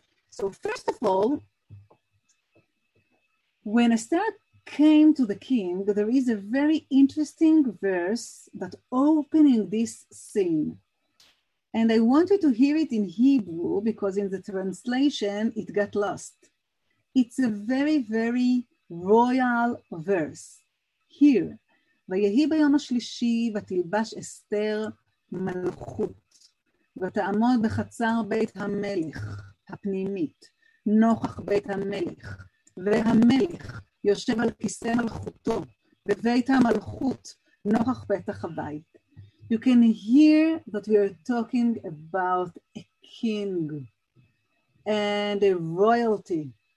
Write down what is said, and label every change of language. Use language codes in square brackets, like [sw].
[en] So first of all, when Esther came to the king, there is a very interesting verse that opening this scene. And I want you to hear it in Hebrew, because in the translation, it got lost. It's a very, very royal verse. [he] Here, ויהי ביום השלישי ותלבש אסתר מלכות, ותעמוד בחצר בית המלך הפנימית, נוכח בית המלך, והמלך יושב על כיסא מלכותו, בבית המלכות, נוכח פתח הבית. [en] You can hear that we are talking about a king and a royalty.